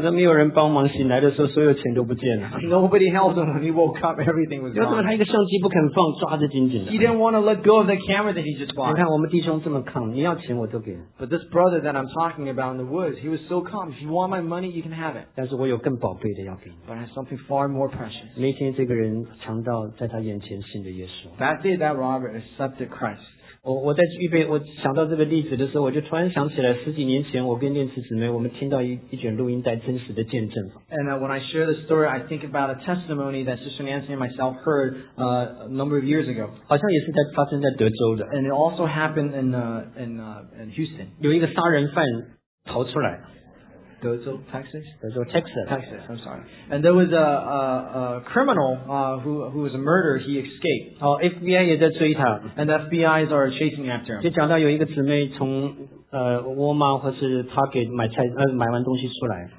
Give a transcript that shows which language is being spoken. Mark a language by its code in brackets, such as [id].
[zh] 他没有人帮忙，醒来的时候所有钱都不见了。 [en] Nobody helped him when he woke up. Everything was gone. [zh] 为什么他一个相机不肯放，抓着紧紧的？ [en] He didn't want to let go of the camera that he just bought. [zh] 你看我们弟兄这么抗，你要钱我都给。 [en] But this brother that I'm talking about in the woods, he was so calm. If you want my money, you can have it. [zh] 但是我有更宝贝的要给你。 [en] But I have something far more precious. [zh] 那天这个人强盗在他眼前信了耶稣。 [en] That day, that robber accepted Christ. [zh] 我在预备，我想到这个例子的时候，我就突然想起来十几年前，我跟念慈姊妹我们听到一卷录音带真实的见证。 [en] And when I share the story, I think about a testimony that Sister Nancy and myself heard a number of years ago. [zh] 好像也是在发生在德州的。 [en] And it also happened in Houston. [zh] 有一个杀人犯逃出来。 [en] 德州 Texas. I'm sorry. And there was a criminal who was a murderer. He escaped. [zh] FBI 也在追他。 [en] And FBIs are chasing after him. [zh] 就讲到有一个姊妹从沃尔玛或是 Target 买完东西出来。